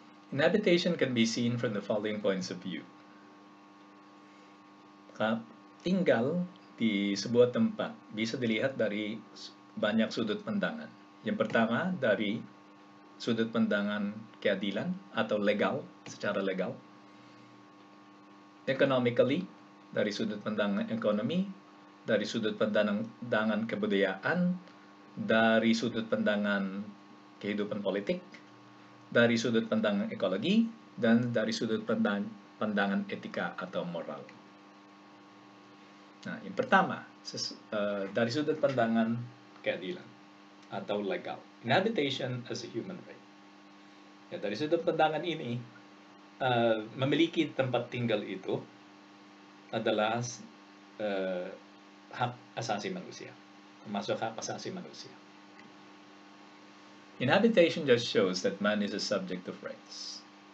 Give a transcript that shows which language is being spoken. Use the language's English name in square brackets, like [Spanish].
[English] Inhabitation can be seen from the following points of view. [Indonesian] Tinggal di sebuah tempat bisa dilihat dari banyak sudut pandangan. Yang pertama, dari sudut pandangan keadilan atau legal, secara legal. [English] Economically, [Indonesian] dari sudut pandangan ekonomi, dari sudut pandangan kebudayaan, dari sudut pandangan kehidupan politik, dari sudut pandangan ekologi, dan dari sudut pandangan etika atau moral. Nah, yang pertama, dari sudut pandangan keadilan atau legal. [English] Inhabitation as a human right. [Indonesian] Ya, dari sudut pandangan ini, memiliki tempat tinggal itu adalah hak asasi manusia. Termasuk hak asasi manusia. [English] Inhabitation just shows that man is a subject of rights.